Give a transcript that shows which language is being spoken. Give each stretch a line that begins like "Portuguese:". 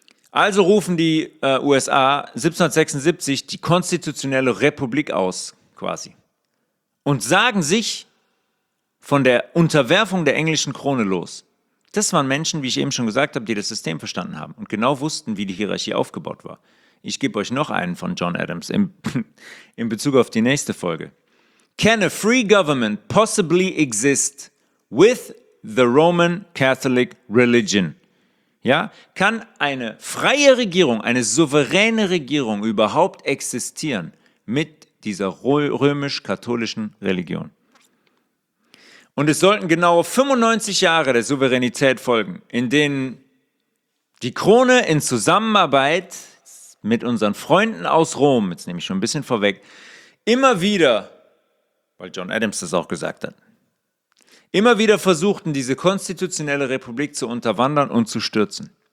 German: Also rufen die USA 1776 die konstitutionelle Republik aus, quasi, und sagen sich von der Unterwerfung der englischen Krone los. Das waren Menschen, wie ich eben schon gesagt habe, die das System verstanden haben und genau wussten, wie die Hierarchie aufgebaut war. Ich gebe euch noch einen von John Adams in Bezug auf die nächste Folge.
English: Can a free government possibly exist with the Roman Catholic religion?
German: Ja, kann eine freie Regierung, eine souveräne Regierung überhaupt existieren mit dieser römisch-katholischen Religion? Und es sollten genau 95 Jahre der Souveränität folgen, in denen die Krone in Zusammenarbeit mit unseren Freunden aus Rom, jetzt nehme ich schon ein bisschen vorweg, immer wieder, weil John Adams das auch gesagt hat, immer wieder versuchten, diese konstitutionelle Republik zu unterwandern und zu stürzen.